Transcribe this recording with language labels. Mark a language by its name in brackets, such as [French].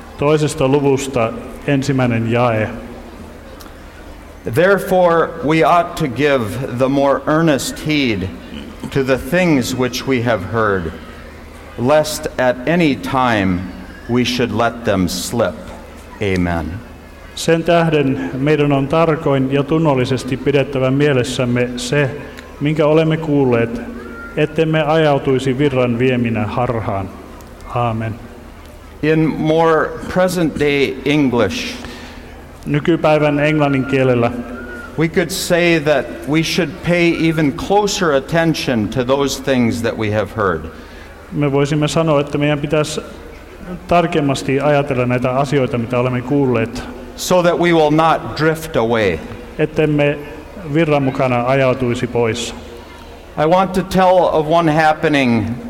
[Finnish] Toisesta luvusta ensimmäinen jae. [English] Therefore, we ought to give the more earnest heed to the things which we have heard, lest at any time we should let them slip. Amen. [Finnish] Sen tähden meidän on tarkoin ja tunnollisesti pidettävä mielessämme se, minkä olemme kuulleet, ettemme ajautuisi virran vieminä harhaan. Amen. [English] In more present day English, [Finnish] nykypäivän englannin kielellä, [English] we could say that we should pay even closer attention to those things that we have heard. [Finnish] Me voisimme sanoa, että meidän pitäisi tarkemmasti ajatella näitä asioita, mitä olemme kuulleet. [English] So that we will not drift away. [Finnish] Ettemme virran mukana ajautuisi pois. [English] I want to tell of one happening.